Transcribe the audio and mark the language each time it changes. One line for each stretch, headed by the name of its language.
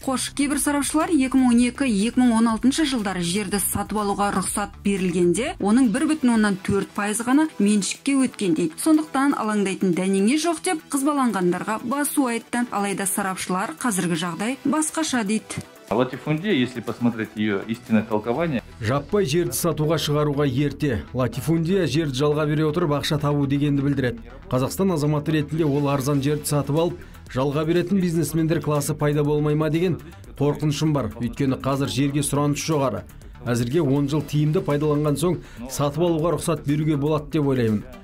Kazakh: Қош, кейбір сарапшылар 2012-2016 жылдары жерді сатып алуға рұқсат берілгенде оның 1.4% ғана меншікке өткен дейді. Сондықтан алаңдайтын дәнеңе жоқ деп қызбаланғандарға басу айтты. Алайда сарапшылар қазіргі жағдай басқаша дейді.
Russian: Латифундия, если посмотреть ее истинное толкование.
Kazakh: Жаппай жерді сатуға шығаруға ерте. Латифундия жерді жалға бере отырып ақша табу дегенді білдіреді. Қазақстан азаматы ретінде ол арзан жерді сатып алып, жалға беретін бизнесмендер класы пайда болмай ма деген қорқынышым бар. Өйткені қазір жерге сұраныс жоғары. Әзірге 10 жыл тиімді пайдаланған соң сатып алуға рұқсат беруге болады деп ойлаймын.